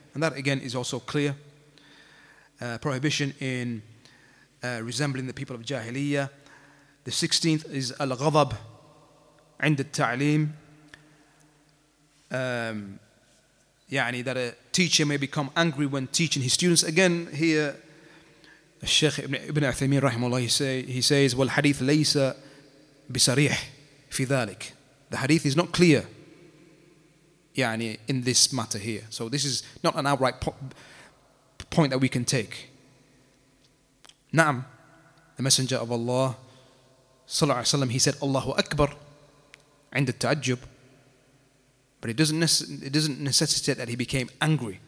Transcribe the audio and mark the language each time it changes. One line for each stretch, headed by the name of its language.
English: And that again is also clear. Prohibition in resembling the people of Jahiliyyah. The 16th is
Arabic: al-ghadab 'ind at-ta'lim.
English: That a teacher may become angry when teaching his students.
Arabic: Again, here الشيخ ابن عثيمين رحمه الله he says والحديث ليس بصريح في ذلك.
English: The hadith is not clear in this matter here. So this is not an outright point that we can take. نعم, the messenger of Allah صلى الله عليه وسلم, he said
Arabic: الله أكبر عند التعجب,
English: but it doesn't necessitate that he became angry.